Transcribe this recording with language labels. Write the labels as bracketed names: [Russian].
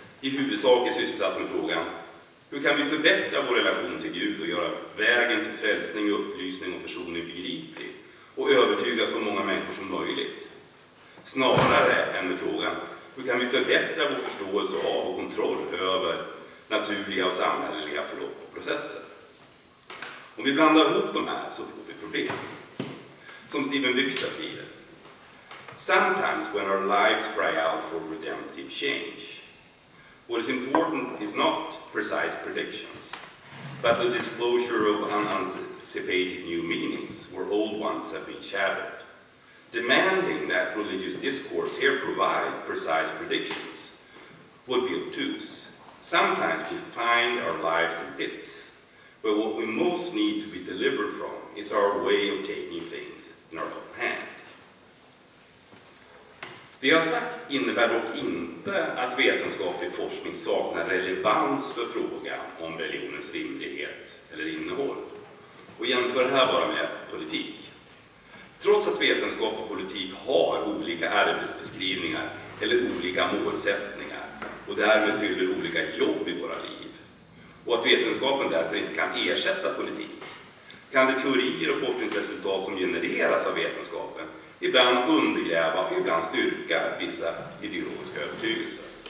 [Swedish] I huvudsak är sysselsatt med frågan: hur kan vi förbättra vår relation till Gud och göra vägen till frälsning, upplysning och försoning begriplig och övertyga så många människor som möjligt? Snarare än med frågan: hur kan vi förbättra vår förståelse av och kontroll över naturliga och samhälleliga förlopp och processer? Om vi blandar ihop de här så får vi problem. Som Stephen Bickstad skriver: [English] sometimes when our lives cry out for redemptive change, what is important is not precise predictions, but the disclosure of unanticipated new meanings where old ones have been shattered, demanding that religious discourse here provide precise predictions would be obtuse. Sometimes we find our lives in bits, but what we most need to be delivered from is our way of taking things in our own hands. [Swedish] Det jag sagt innebär dock inte att vetenskaplig forskning saknar relevans för frågan om religionens rimlighet eller innehåll. Och jämför här bara med politik. Trots att vetenskap och politik har olika arbetsbeskrivningar eller olika målsättningar och därmed fyller olika jobb i våra liv, och att vetenskapen därför inte kan ersätta politik, kan de teorier och forskningsresultat som genereras av vetenskapen ibland undergräva och ibland styrka vissa ideologiska övertygelser.